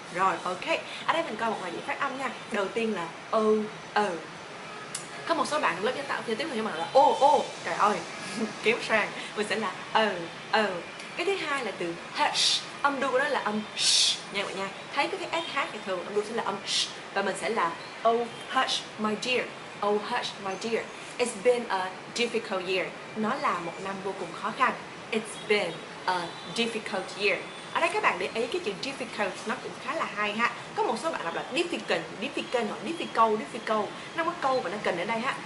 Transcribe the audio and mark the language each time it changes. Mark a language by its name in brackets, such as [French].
[Vietnamese] Rồi ok, ở đây mình coi một vài dạy phát âm nha. Đầu tiên là ô ô, có một số bạn lớp nhân tạo giao tiếp thì các bạn là ô ô, trời ơi kiếm sang mình sẽ là ô ô. Cái thứ hai là từ hush, âm đu của nó là âm sh nha mọi nha. Thấy cái sh thì thường âm đu sẽ là âm sh, và mình sẽ là [English] oh hush my dear. Oh hush my dear, it's been a difficult year. [Vietnamese] Nó là một năm vô cùng khó khăn. [English] It's been a difficult year. [Vietnamese] Ở đây các bạn để ý cái chữ difficult nó cũng khá là hay ha. Có một số bạn đọc là difficult, difficult hoặc difficult, difficult. Nó có câu và nó cần ở đây ha.